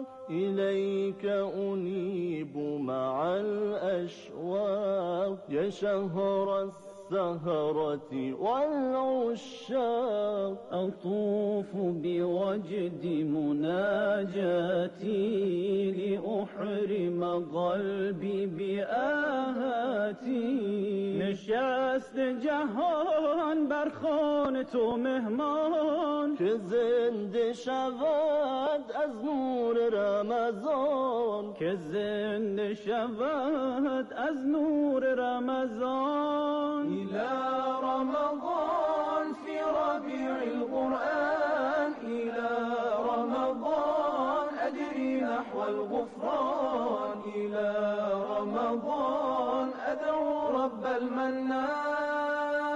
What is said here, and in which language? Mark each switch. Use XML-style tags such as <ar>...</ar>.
<ar>إليك أنيب مع الأشواق يا شهر الزهرة والعشاق. أطوف بوجد مناجاتي لأحرم قلبي بآهاتي.</ar> <fa>نشست جهان بر خوان تو مهمان، که زنده شود از نور رمضان، که زنده شود از نور رمضان.</fa> <ar>إلى رمضان في ربيع القرآن، إلى رمضان أدري نحو الغفران، إلى رمضان أدعو رب المنان.</ar>